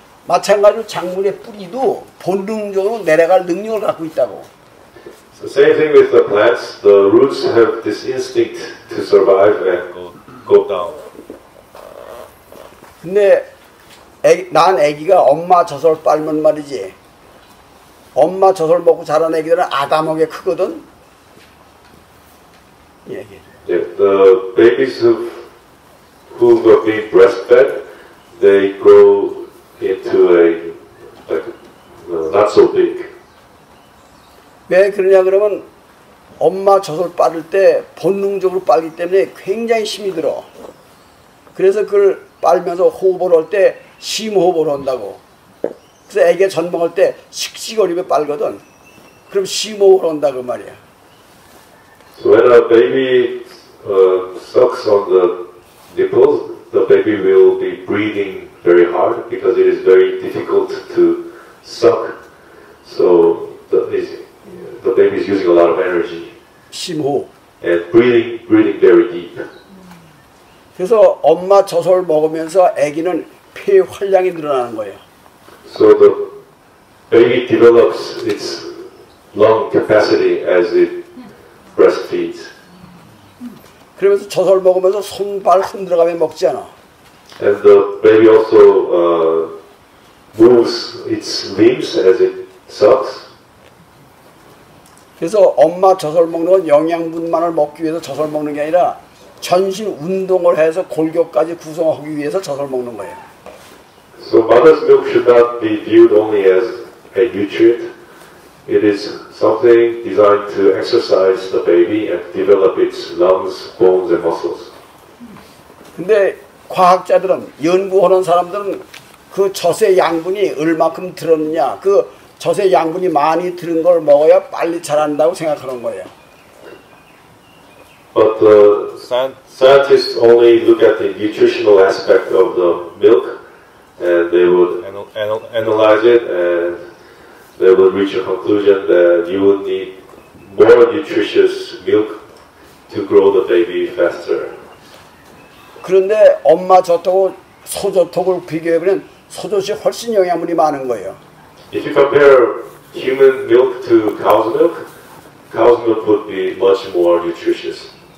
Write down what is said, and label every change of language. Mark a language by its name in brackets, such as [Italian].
[Korean] 마찬가지로 작물의 뿌리도 본능적으로 내려갈 능력을 갖고 있다고. [English] So same thing with the plants. The roots have this instinct to survive and go down. [Korean] 근데 난 아기가 엄마 젖을 빨면 말이지. 엄마 젖을 먹고 자란 아기들은 아담하게 크거든. 이 아기. [English] Yeah, the babies who have been breastfed, they grow into a not so big. [Korean] 왜 그러냐 그러면 엄마 젖을 빠를 때 본능적으로 빨기 때문에 굉장히 힘이 들어. 그래서 그걸 빨면서 호흡을 할 때 심호흡을 한다고. 그래서 애기 젖 먹을 때 씩씩거리며 빨거든. 그럼 심호흡을 한다고 말이야. [English] So when a baby sucks on the nipples, the baby will be breathing very hard because it is very difficult to suck. So the baby is using a lot of energy. [Korean] 심호흡. [English] And breathing very deep. [Korean] 그래서 엄마 젖을 먹으면서 아기는 폐 활량이 늘어나는 거예요. [English] So the baby develops its lung capacity as it breastfeeds. [Korean] 그러면서 젖을 먹으면서 손발 흔들어가며 먹지 않아. [English] And the baby also moves its limbs as it sucks. [Korean] 그래서 엄마 젖을 먹는 건 영양분만을 먹기 위해서 젖을 먹는 게 아니라 전신 운동을 해서 골격까지 구성하기 위해서 젖을 먹는 거예요. [English] So mother's milk should not be viewed only as a nutrient. It is something designed to exercise the baby and develop its lungs, bones, and muscles. [Korean] 근데 과학자들은, 연구하는 사람들은 그 젖의 양분이 얼마큼 들었느냐, 그 젖의 양분이 많이 들은 걸 먹어야 빨리 자란다고 생각하는 거예요. [English] But the scientists only look at the nutritional aspect of the milk and they would analyze it and they would reach a conclusion that you would need more nutritious milk to grow the baby faster. [Korean] 그런데 엄마 젖하고 소젖을 비교해보면 소젖이 훨씬 영양분이 많은 거예요. [English] If you compare human milk to cow's milk would be much more nutritious.